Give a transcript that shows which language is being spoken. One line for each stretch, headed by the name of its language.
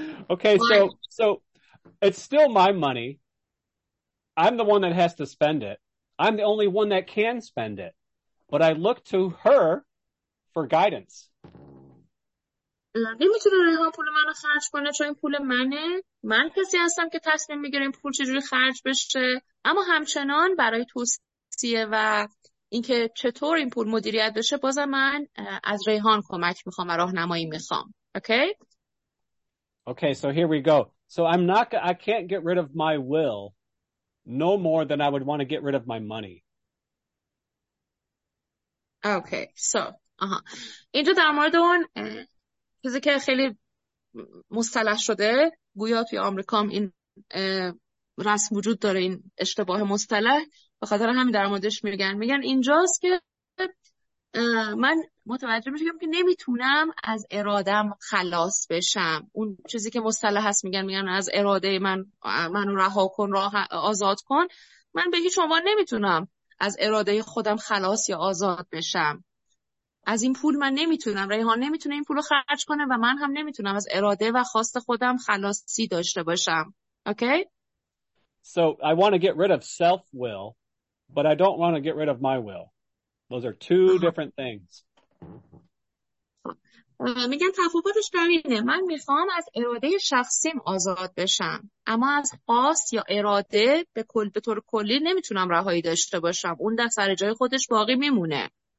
English: Okay, so it's still my money. I'm the one that has to spend it. I'm the only one that can spend it. But I look to her for guidance.
Persian: نمیتونه ریحان پول منو خرج کنه چون این پول منه. من کسی هستم که تصمیم میگیرم پول چجوری خرج بشه. اما همچنان برای توصیه و اینکه چطور این پول مدیریت بشه، بازم من از ریحان کمک میخوام و راهنمایی میخوام.
English: Okay, so here we go. So I can't get rid of my will no more than I would want to get rid of my money.
Persian: Okay, so, اینجا در مورد اون چیزی که خیلی مصطلح شده، گویا توی آمریکا هم این رسم وجود داره، این اشتباه مصطلح، بخاطر همین در موردش میگن اینجاست که من متوجه میشم که نمیتونم از ارادم خلاص بشم. اون چیزی که مصطلح هست میگن از اراده منو رها کن، آزاد کن. من به هیچ عنوان نمیتونم از اراده خودم خلاص یا آزاد بشم. از این پول من نمیتونم، ریحان نمیتونه این پولو خرج کنه و من هم نمیتونم از اراده و خواست خودم خلاصی داشته باشم.
English: Okay? So I want to get rid of self will, but I don't want to get rid of my will. Those are two different things.
Persian: میگن تفاوتش در اینه، من میخوام از اراده شخصیم آزاد بشم، اما از خواست یا اراده به طور کلی نمیتونم رهایی داشته باشم، اون در سر جای خودش باقی میمونه.